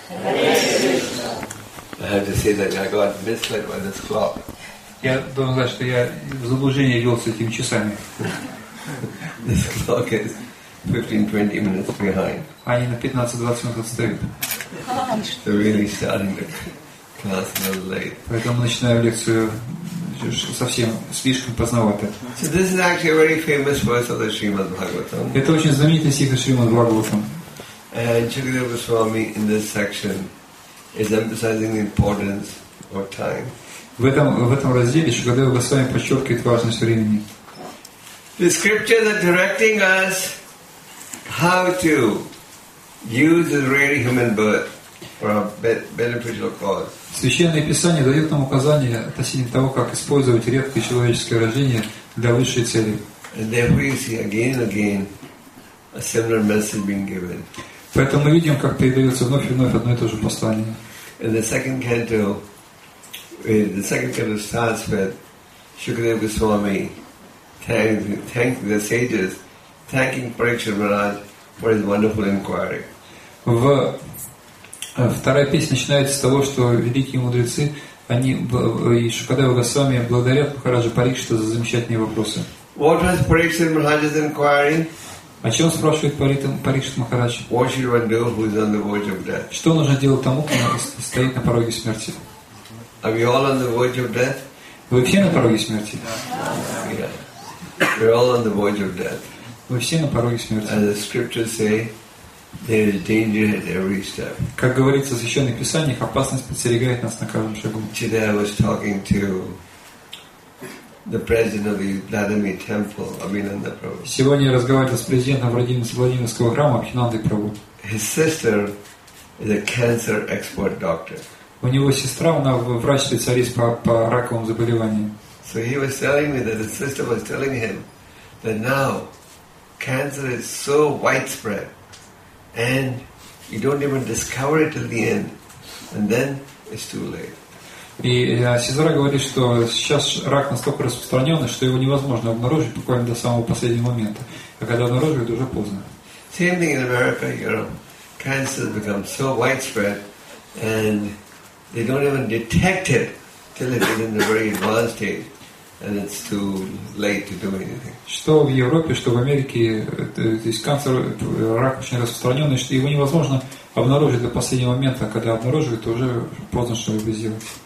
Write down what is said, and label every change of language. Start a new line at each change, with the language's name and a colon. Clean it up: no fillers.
English: I have to say that I got misled by this clock.
Russian: Я должен сказать, что я в заблуждение вел с этими часами.
English: This clock is 15-20 minutes behind.
Russian: Они на 15-20 минут отстают.
English: So really starting the class a little late.
Russian: Поэтому начинаю лекцию совсем слишком поздновато.
English: So this is actually a very famous verse of the Shrimad Bhagavatam.
Russian: Это очень знаменитый стих из Шримад Бхагаватам.
English: And Shukadeva Goswami in this section is emphasizing the importance of time.
Russian: В этом разделе Шукадева Госвами подчеркивает важность времени.
English: The scriptures are directing us how to use the rare human birth for a beneficial cause.
Russian: Священное Писание дает нам указания относительно того, как использовать редкое человеческое рождение для высшей цели.
English: And therefore you see again and again a similar message being given.
Russian: Поэтому мы видим, как передается вновь и вновь одно и то же послание.
English: In the second canto, the second canto starts with Shukadeva Goswami thanking the sages, thanking Parikshit Maharaj for his wonderful inquiry.
Russian: Вторая песня начинается с того, что великие мудрецы, они и Шукадева Госвами благодарят Махараджа Парикшита за замечательные вопросы.
English: What was Parikshit Maharaj's inquiry?
Russian: О чем спрашивает Парикшит Махарадж?
English: What should one do who is on the verge of death?
Russian: Что нужно делать тому, кто стоит на пороге смерти?
English: Are we all on the verge of death?
Russian: Вы все на пороге смерти?
English: Yeah. We're all on the verge of death.
Russian: Вы все на пороге смерти.
English: As the scriptures say, there is danger at every step.
Russian: Как говорится в Священных Писаниях, опасность подстерегает нас на каждом шагу.
English: Today I was talking to the president of the Vladimir Temple, Abhinanda Prabhu.
Russian: Сегодня я разговаривал с президентом Владимирского храма Абхинандой Прабху.
English: His sister is a cancer expert doctor.
Russian: У него сестра, она врач-специалист по раковым заболеваниям.
English: So he was telling me that his sister was telling him that now cancer is so widespread. And you don't even discover it till the end, and then it's too late.
Russian: И Сезара говорит, что сейчас рак настолько распространенный, что его невозможно обнаружить буквально до самого последнего момента. А когда обнаруживают, уже поздно.
English: Same thing in America, you know, cancer has become so widespread, and they don't even detect it till it is in the very advanced stage, and it's too late to do anything.
Russian: Что в Европе, что в Америке, то есть канцер, рак очень распространенный, что его невозможно обнаружить до последнего момента, а когда обнаруживают, то уже поздно что-либо сделать.